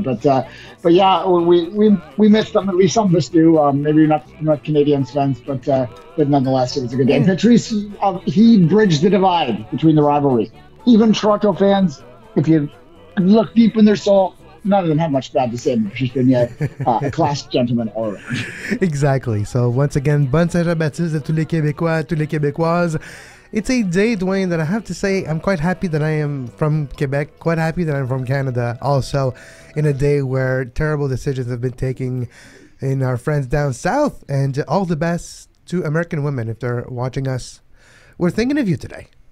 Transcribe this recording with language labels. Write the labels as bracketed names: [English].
[English] But yeah, we missed them. At least some of us do. Maybe not Canadians fans, but nonetheless, it was a good game. Patrice, he bridged the divide between the rivalry. Even Toronto fans, if you look deep in their soul, none of them have much bad to say. She's been a class gentleman all around. Exactly. So once again, [French] Bon Saint-Jean-Baptiste à tous les Québécois, à tous les Québécoises. [English] It's a day, Duane, that I have to say I'm quite happy that I am from Quebec, quite happy that I'm from Canada, also in a day where terrible decisions have been taken in our friends down south. And all the best to American women if they're watching us. We're thinking of you today.